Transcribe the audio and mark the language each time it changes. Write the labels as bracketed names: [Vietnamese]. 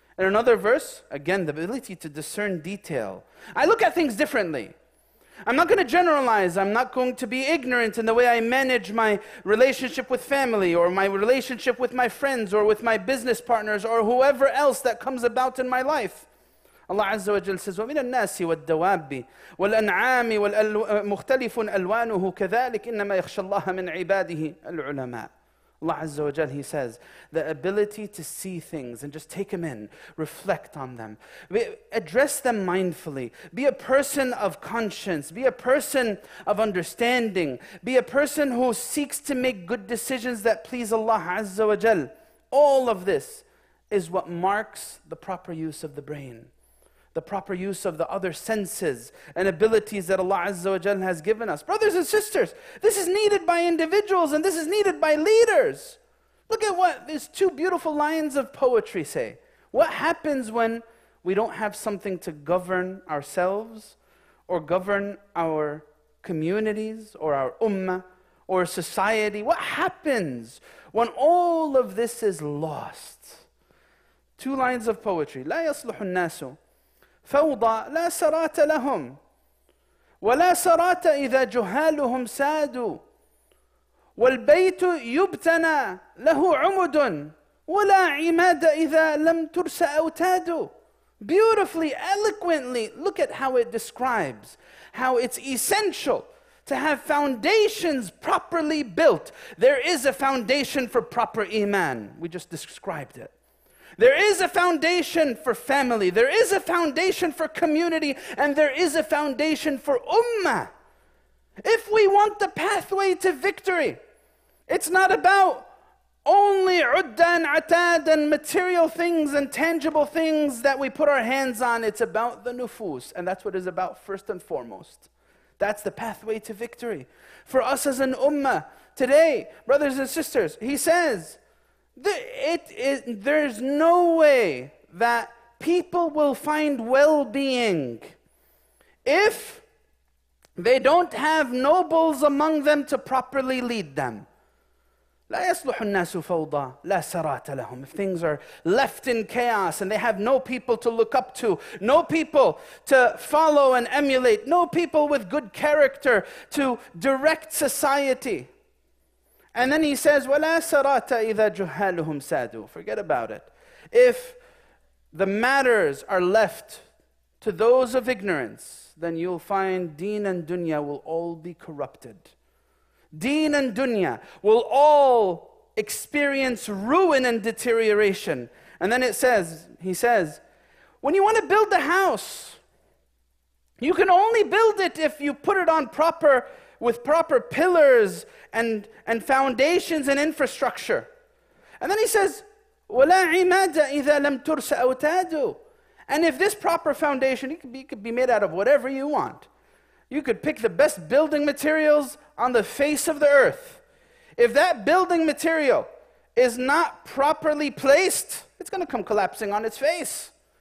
[English] In another verse, again, the ability to discern detail. I look at things differently. I'm not going to generalize. I'm not going to be ignorant in the way I manage my relationship with family or my relationship with my friends or with my business partners or whoever else that comes about in my life. Allah Azza wa Jalla says, [Arabic] وَمِنَ النَّاسِ وَالدَّوَابِ وَالْأَنْعَامِ مُخْتَلِفٌ أَلْوَانُهُ كَذَلِكَ إِنَّمَا يَخْشَى اللَّهَ مِنْ عِبَادِهِ الْعُلَمَاءِ. [English] Allah Azza wa Jalla, He says, the ability to see things and just take them in, reflect on them, address them mindfully, be a person of conscience, be a person of understanding, be a person who seeks to make good decisions that please Allah Azza wa Jalla. All of this is what marks the proper use of the brain, the proper use of the other senses and abilities that Allah Azza wa Jalla has given us. Brothers and sisters, this is needed by individuals and this is needed by leaders. Look at what these two beautiful lines of poetry say. What happens when we don't have something to govern ourselves or govern our communities or our ummah or society? What happens when all of this is lost? Two lines of poetry. [Arabic] لا يصلح الناس فوضى لا سرات لهم ولا سرات إذا جهالهم سادوا والبيت يبتنى له عمد ولا عماد إذا لم ترس أوتادوا. [English] Beautifully, eloquently, look at how it describes how it's essential to have foundations properly built. There is a foundation for proper iman. We just described it. There is a foundation for family. There is a foundation for community. And there is a foundation for ummah. If we want the pathway to victory, it's not about only udda and atad and material things and tangible things that we put our hands on. It's about the nufus. And that's what it's about first and foremost. That's the pathway to victory. For us as an ummah today, brothers and sisters, he says, there's no way that people will find well-being if they don't have nobles among them to properly lead them. [Arabic] لا يصلح الناس فوضى لا سرات لهم. [English] If things are left in chaos and they have no people to look up to, no people to follow and emulate, no people with good character to direct society. And then he says, [Arabic] وَلَا سَرَاتَ إِذَا جُهَالُهُمْ سَادُوا. [English] Forget about it. If the matters are left to those of ignorance, then you'll find deen and dunya will all be corrupted. Deen and dunya will all experience ruin and deterioration. And then it says, he says, when you want to build a house, you can only build it if you put it on proper, with proper pillars and foundations and infrastructure. And then he says, [Arabic] وَلَا عِمَادَ إِذَا لَمْ تُرْسَ أَوْتَادُ. [English] And if this proper foundation, it could be made out of whatever you want. You could pick the best building materials on the face of the earth. If that building material is not properly placed, it's going to come collapsing on its face.